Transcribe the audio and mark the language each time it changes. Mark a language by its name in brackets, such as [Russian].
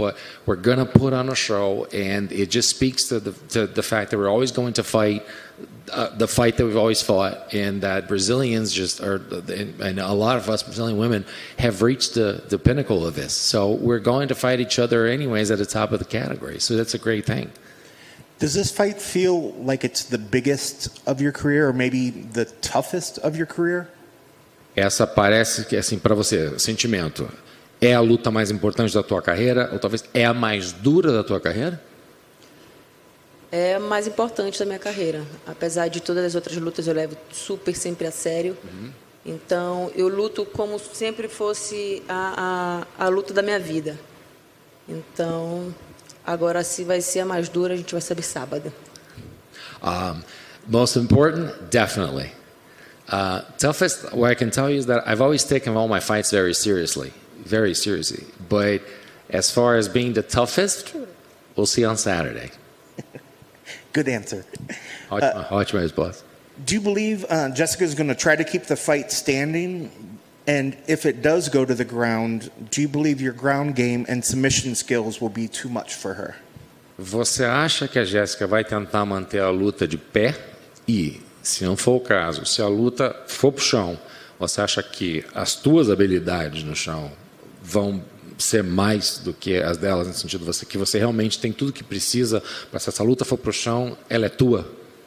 [English] But we're going to put on a show, and it just speaks to the fact that we're always going to fight the fight that we've always fought, and that Brazilians just are, and a lot of us Brazilian women have reached the pinnacle of this. So we're going to fight each other anyways at the top of the category. So that's a great thing. Does this fight feel like it's the biggest of your career, or maybe the toughest of your career? [Portuguese] Essa parece que, assim, para você, sentimento, é a luta mais importante da tua carreira, ou talvez é a mais dura da tua carreira? É a mais importante da minha carreira. Apesar de todas as outras lutas, eu levo super sempre a sério. Então, eu luto como sempre fosse a luta da minha vida. Então, agora, se vai ser a mais dura, a gente vai saber sábado. [English] Most important, definitely. Toughest, what I can tell you is that I've always taken all my fights very seriously. Very seriously. But as far as being the toughest, we'll see on Saturday. Good answer. [Portuguese] Ótima resposta. [English] Do you believe Jessica is going to try to keep the fight standing? And if it does go to the ground, do you believe your ground game and submission skills will be too much for her? [Portuguese] Você acha que a Jessica vai tentar manter a luta de pé? E se não for o caso, se a luta for para o chão, você acha que as tuas habilidades no chão vão ser mais do que as delas, no sentido que você realmente tem tudo o que precisa para, se essa luta for para o chão, ela é tua?